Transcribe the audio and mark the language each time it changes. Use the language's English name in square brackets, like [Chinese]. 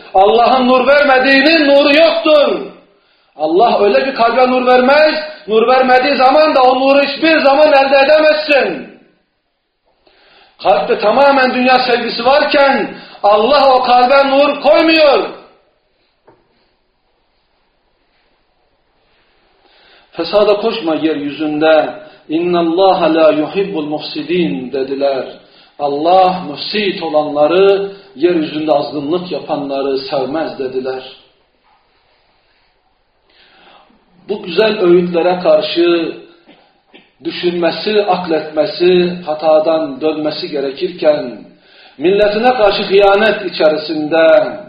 [Turkish] Allah'ın nur vermediğinin nuru yoktur. Allah öyle bir kalbe nur vermez, nur vermediği zaman da o nuru hiçbir zaman elde edemezsin. Kalpte tamamen dünya sevgisi varken Allah o kalbe nur koymuyor. Fesada koşma yeryüzünde. [Arabic] اِنَّ اللّٰهَ لَا يُحِبُّ الْمُحْسِد۪ينَ [Turkish] dediler. Allah müsit olanları, yeryüzünde azgınlık yapanları sevmez dediler. Bu güzel öğütlere karşı düşünmesi, akletmesi, hatadan dönmesi gerekirken, milletine karşı hıyanet içerisinde,